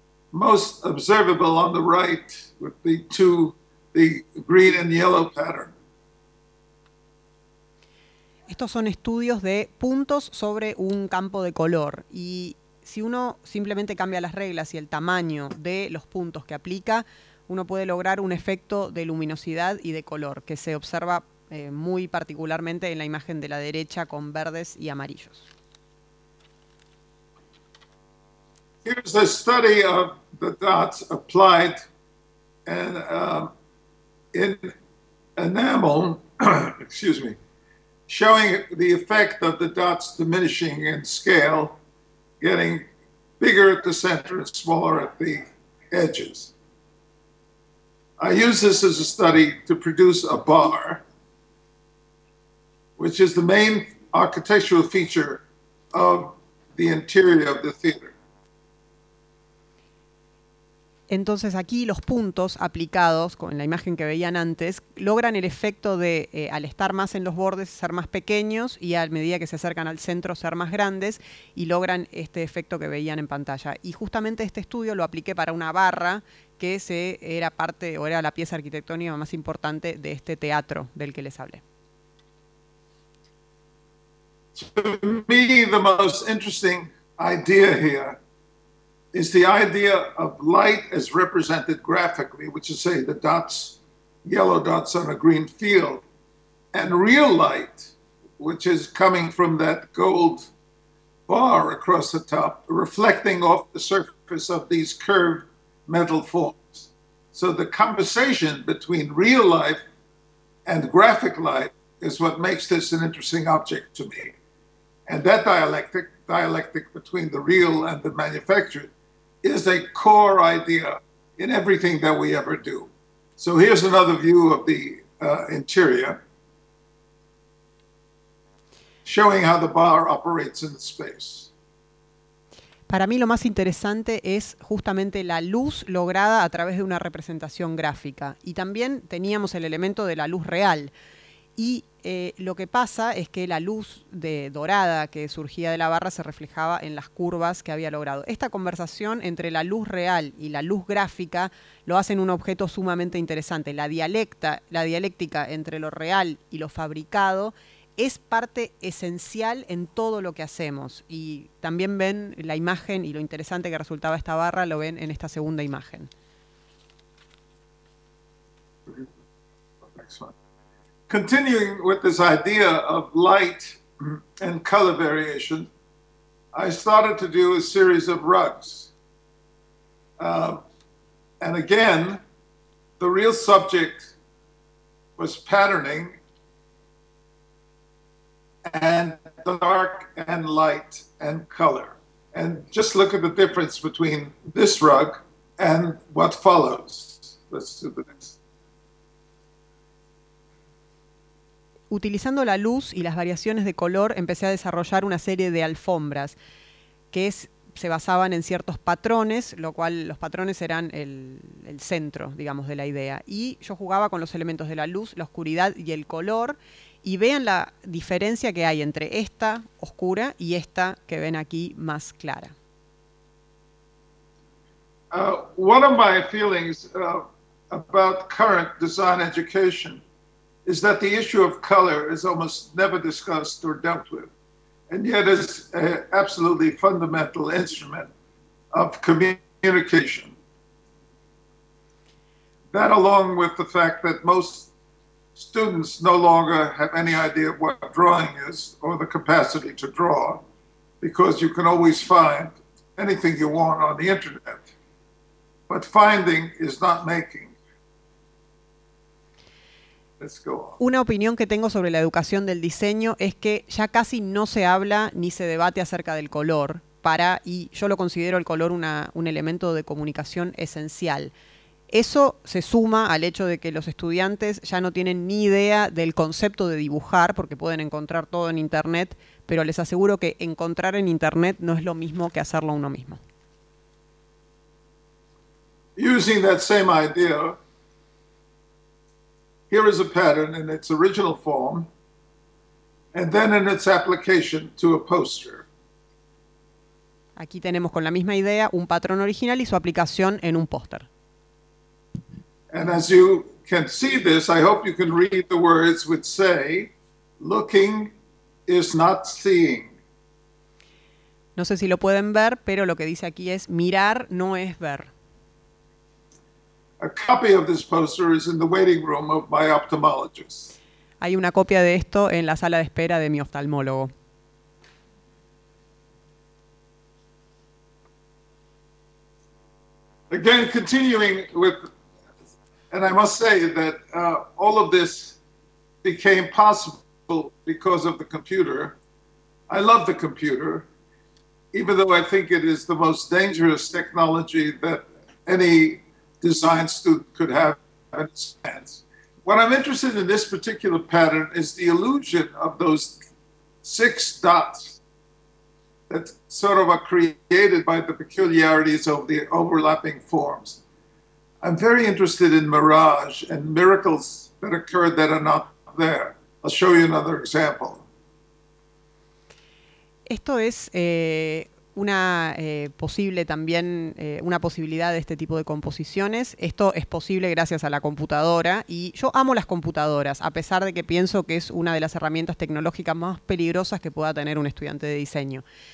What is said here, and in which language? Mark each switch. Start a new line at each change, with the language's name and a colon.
English: Most observable on the right with the green and yellow pattern.
Spanish: Estos son estudios de puntos sobre un campo de color. Y si uno simplemente cambia las reglas y el tamaño de los puntos que aplica, uno puede lograr un efecto de luminosidad y de color que se observa muy particularmente en la imagen de la derecha con verdes y amarillos.
English: Here's the study of the dots applied and, in enamel, excuse me, showing the effect of the dots diminishing in scale, getting bigger at the center and smaller at the edges. I use this as a study to produce a bar, which is the main architectural feature of the interior of the theater.
Spanish: Entonces aquí los puntos aplicados con la imagen que veían antes logran el efecto de al estar más en los bordes ser más pequeños y a medida que se acercan al centro ser más grandes y logran este efecto que veían en pantalla. Y justamente este estudio lo apliqué para una barra que era parte o era la pieza arquitectónica más importante de este teatro del que les hablé.
English: To me, the most interesting idea here is the idea of light as represented graphically, which is, say, the dots, yellow dots on a green field, and real light, which is coming from that gold bar across the top, reflecting off the surface of these curved metal forms. So the conversation between real life and graphic light is what makes this an interesting object to me. And that dialectic between the real and the manufactured, is a core idea in everything that we ever do. So here's another view of the interior, showing how the bar operates in the space.
Spanish: Para mí lo más interesante es justamente la luz lograda a través de una representación gráfica. Y también teníamos el elemento de la luz real. Y lo que pasa es que la luz dorada que surgía de la barra se reflejaba en las curvas que había logrado. Esta conversación entre la luz real y la luz gráfica lo hacen un objeto sumamente interesante. La dialéctica entre lo real y lo fabricado es parte esencial en todo lo que hacemos. Y también ven la imagen y lo interesante que resultaba esta barra, lo ven en esta segunda imagen.
English: Excellent. Continuing with this idea of light and color variation, I started to do a series of rugs. And again, the real subject was patterning and dark and light and color. And just look at the difference between this rug and what follows. Let's do the next.
Spanish: Utilizando la luz y las variaciones de color, empecé a desarrollar una serie de alfombras que se basaban en ciertos patrones, lo cual los patrones eran el centro, digamos, de la idea. Y yo jugaba con los elementos de la luz, la oscuridad y el color. Y vean la diferencia que hay entre esta oscura y esta que ven aquí más clara.
English: One of my feelings about current design education is that the issue of color is almost never discussed or dealt with, and yet is an absolutely fundamental instrument of communication. That, along with the fact that most students no longer have any idea what drawing is or the capacity to draw, because you can always find anything you want on the internet. But finding is not making.
Spanish: Una opinión que tengo sobre la educación del diseño es que ya casi no se habla ni se debate acerca del color, y yo lo considero el color un elemento de comunicación esencial. Eso se suma al hecho de que los estudiantes ya no tienen ni idea del concepto de dibujar, porque pueden encontrar todo en internet, pero les aseguro que encontrar en internet no es lo mismo que hacerlo uno mismo.
English: Using that same idea, here is a pattern in its original form, and then in its application to a poster.
Spanish: Aquí tenemos con la misma idea un patrón original y su aplicación en un póster.
English: And as you can see this, I hope you can read the words which say, looking is not seeing.
Spanish: No sé si lo pueden ver, pero lo que dice aquí es, mirar no es ver.
English: A copy of this poster is in the waiting room of my ophthalmologist.
Spanish: Hay una copia de esto en la sala de espera de mi oftalmólogo.
English: Again, continuing with, and I must say that all of this became possible because of the computer. I love the computer, even though I think it is the most dangerous technology that any design student could have in his hands. What I'm interested in this particular pattern is the illusion of those six dots that sort of are created by the peculiarities of the overlapping forms. I'm very interested in mirage and miracles that occur that are not there. I'll show you another example.
Spanish: Esto es una posibilidad de este tipo de composiciones. Esto es posible gracias a la computadora y yo amo las computadoras, a pesar de que pienso que es una de las herramientas tecnológicas más peligrosas que pueda tener un estudiante de diseño.